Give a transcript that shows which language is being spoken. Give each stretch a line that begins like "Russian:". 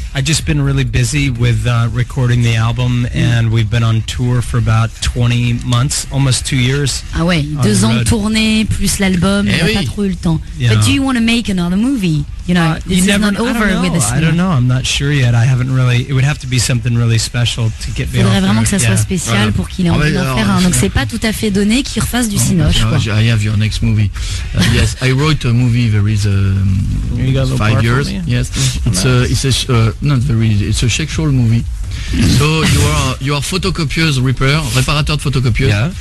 English: I've just been really busy with recording the album, and we've been on tour for about 20 months, almost 2 years.
French: Ah ouais, 2 ans de tournée plus l'album, il n'a pas trop eu le temps.
English: Yeah. But do you want to make another movie? You know, this is not over with this. I don't know. I'm not sure yet. I haven't really. It would have to be something really special to get me.
French: Il faudrait vraiment que ça soit spécial pour qu'il ait envie d'en faire un. Donc c'est pas tout à fait donné qu'il refasse du cinoche.
English: I have your next movie. Yes, I wrote a movie. There is 5 years. Yes, it's a sexual movie. So you are photocopieuse repair,
French: réparateur de photocopieuse.